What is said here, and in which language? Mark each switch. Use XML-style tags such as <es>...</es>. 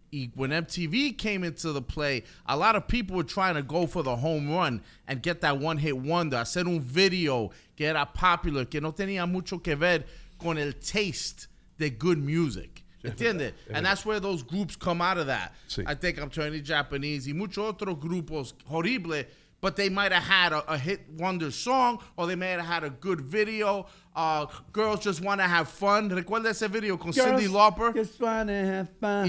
<en>Y when MTV came into the play, a lot of people were trying to go for the home run and get that one hit wonder.</en> <es>Hacer un video que era popular, que no tenía mucho que ver con el</es> <en>taste</en> <es>de</es> <en>good music.</en> <es>¿Entiendes?</es> <en>And that's where those groups come out of that.</en> <es>Sí.</es> <en>I think I'm turning Japanese.</en> <es>Y muchos otros grupos horrible,</es> <en>but they might have had a hit wonder song, or they may have had a good video.</en> <es>Girls Just Want to Have Fun. ¿Recuerda ese video con Cyndi Lauper?</es> <en>Just want to have fun.</en>